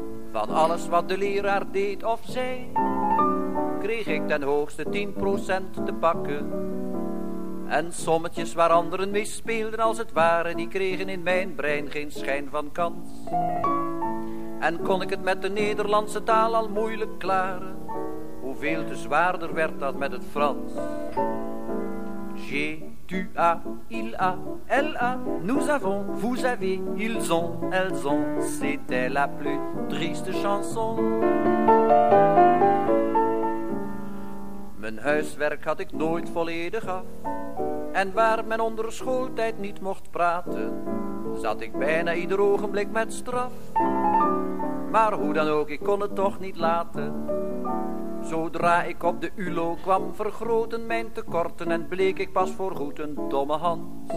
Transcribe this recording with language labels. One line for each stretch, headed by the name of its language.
Dutch: Van alles wat de leraar deed of zei, kreeg ik ten hoogste 10% te pakken. En sommetjes waar anderen meespeelden als het ware, die kregen in mijn brein geen schijn van kans. En kon ik het met de Nederlandse taal al moeilijk klaren. Hoeveel te zwaarder werd dat met het Frans.
French: J'ai, tu a, il a, elle a, nous avons, vous avez, ils ont, elles ont. C'était la plus triste chanson.
Dutch: Mijn huiswerk had ik nooit volledig af. En waar men onder schooltijd niet mocht praten, zat ik bijna ieder ogenblik met straf. Maar hoe dan ook, ik kon het toch niet laten. Zodra ik op de ULO kwam, vergroten mijn tekorten en bleek ik pas voorgoed een domme Hans.